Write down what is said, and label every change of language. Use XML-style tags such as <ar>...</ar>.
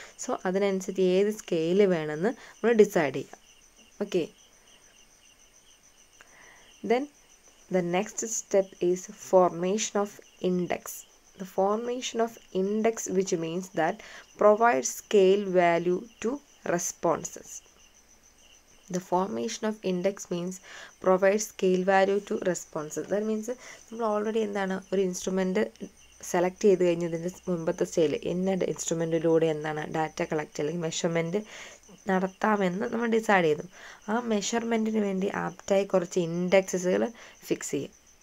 <ml>So അതിനനുസരിച്ച് ഏത് scale വേണമെന്ന് നമ്മൾ ഡിസൈഡ് ചെയ്യാം.</ml> <en>Okay, then the next step is formation of index. The formation of index which means that provide scale value to responses. The formation of index means provides scale value to responses. That means</en> <ml>നമ്മൾ already എന്താണ് ഒരു instrument select ചെയ്ത് കഴിഞ്ഞതിൻ്റെ മുമ്പത്തെ സ്റ്റേജിൽ എന്ന ഇൻസ്ട്രുമെൻറ്റിലൂടെ എന്താണ് data collect അല്ലെങ്കിൽ മെഷർമെൻറ്റ് നടത്താമെന്ന് നമ്മൾ ഡിസൈഡ് ചെയ്തു. ആ മെഷർമെൻറ്റിന് വേണ്ടി ആപ്റ്റായി കുറച്ച് ഇൻഡെക്സസുകൾ ഫിക്സ് ചെയ്യും.</ml>